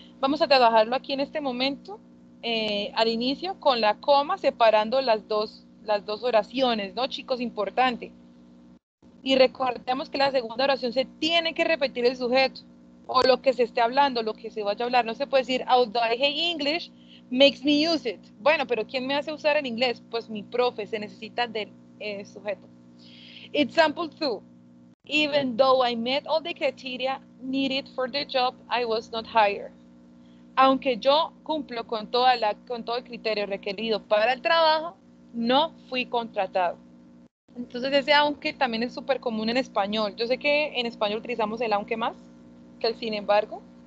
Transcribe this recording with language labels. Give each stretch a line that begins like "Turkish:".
Spanish: Vamos a trabajarlo aquí en este momento, al inicio, con la coma separando las dos oraciones, ¿no, chicos? Importante. Y recordemos que la segunda oración se tiene que repetir el sujeto, o lo que se esté hablando, lo que se vaya a hablar. No se puede decir,
English: although I hate English, makes me use it.
Spanish: Bueno, pero ¿quién me hace usar el inglés? Pues mi profe, se necesita del sujeto. Example 2.
English: Even though I met all the criteria needed for the job, I was not hired.
Spanish: Aunque yo cumplo con todo el criterio requerido para el trabajo, no fui contratado. Entonces ese aunque también es súper común en español. Yo sé que en español utilizamos el aunque más que el sin embargo.